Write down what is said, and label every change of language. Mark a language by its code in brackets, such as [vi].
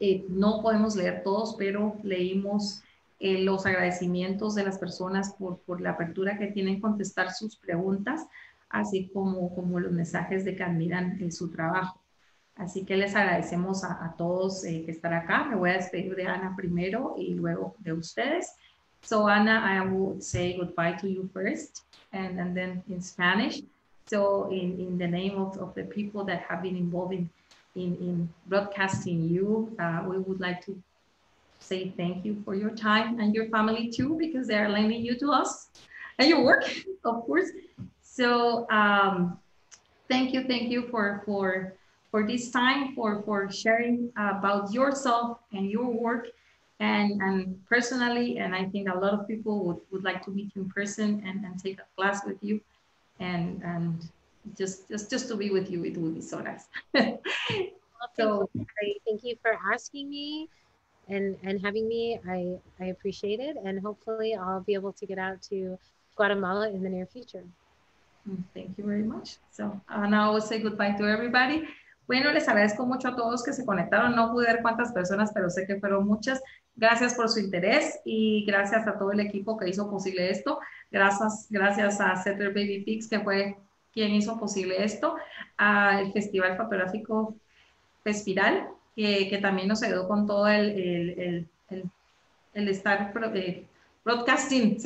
[es] No podemos leer todos, pero leímos los agradecimientos de las personas por la apertura que tienen contestar sus preguntas, así como los mensajes de que admiran su trabajo. Así que les agradecemos a todos que están acá. Me voy a despedir de Ana primero y luego de ustedes. [en] So, Ana, I will say goodbye to you first and then in Spanish. So, in the name of the people that have been involved in broadcasting you, we would like to say thank you for your time and your family too, because they are lending you to us and your work, of course. So, thank you for this time, for sharing about yourself and your work and personally. And I think a lot of people would like to meet you in person and take a class with you and just to be with you, it would be so nice. Thank you. So Thank you for asking me and having me. I appreciate it, and hopefully I'll be able to get out to Guatemala in the near future. thank you very much. So, and I will say goodbye to everybody. [es] Bueno, les agradezco mucho a todos que se conectaron. No pude ver cuántas personas, pero sé que fueron muchas. Gracias por su interés y gracias a todo el equipo que hizo posible esto. Gracias a Setter Baby Pics, que fue quien hizo posible esto. Al Festival Fotográfico Fespiral, que también nos ayudó con todo el estar broadcasting.